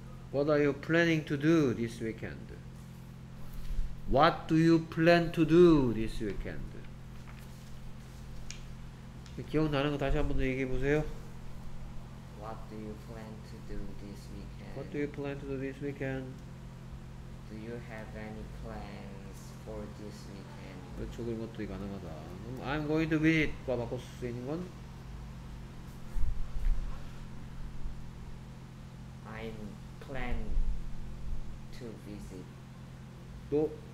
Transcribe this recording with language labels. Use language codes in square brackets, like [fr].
[en] 'What are you planning to do this weekend? What do you plan to do this weekend? [ko] 기억나는 거 다시 한번 더 얘기해 보세요. [en] What do you plan to do this weekend? What do you plan to do this weekend? Do you have any plans for this weekend? [ko] 그렇죠, 그런 것도 가능하다. [en] I'm going to visit. [ko] 과 바꿀 수 있는 건? [en] I'm plan to visit. [ko] 또